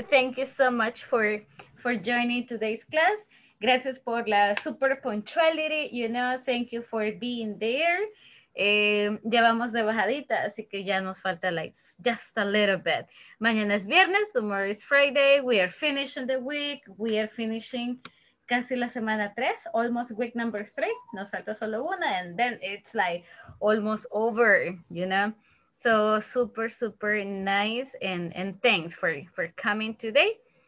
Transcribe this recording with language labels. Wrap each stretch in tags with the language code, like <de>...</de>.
<en>Thank you so much for joining today's class.</en> <es>Gracias por la super punctuality.</es> <en>You know, thank you for being there.</en> <es>Ya vamos de bajadita, así que ya nos falta</es> <en>like just a little bit.</en> <es>Mañana es viernes,</es> <en>tomorrow is Friday, we are finishing the week, we are finishing</en> <es>casi la semana 3,</es> <en>almost week number 3,</en> <es>nos falta solo una,</es> <en>and then it's like almost over, you know. So super, super nice, and thanks for coming today.</en>